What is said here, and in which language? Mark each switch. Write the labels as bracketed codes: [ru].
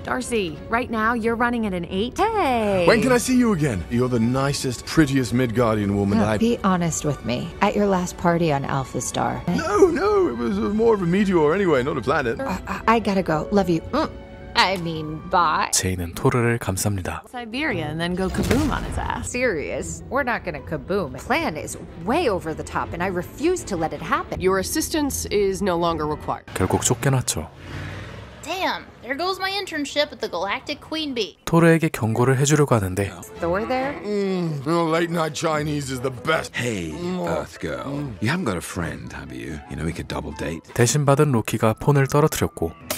[en] Darcy, right now you're running at an 8. Hey. When can I see you again? You're the nicest, prettiest Midgardian woman I've. Be honest with me. At your last party on Alpha Star. No, it was more of a meteor anyway, not a planet. I gotta go. Love you. I mean, bye. [ko] 제인은 토르를 감쌉니다. [en] Siberia and then go kaboom on his ass. Serious? We're not gonna kaboom. Plan is way over the top and I refuse to let it happen. Your assistance is no longer required. [ko] 결국 쫓겨났죠. [en] Damn, there goes my internship at the Galactic Queen Bee. [ko] 토르에게 경고를 해주려고 하는데. [en] Thor there? The late night Chinese is the best. Hey, Earth girl. You haven't got a friend, have you? You know, we could double date. [ko] 대신 받은 로키가 폰을 떨어뜨렸고.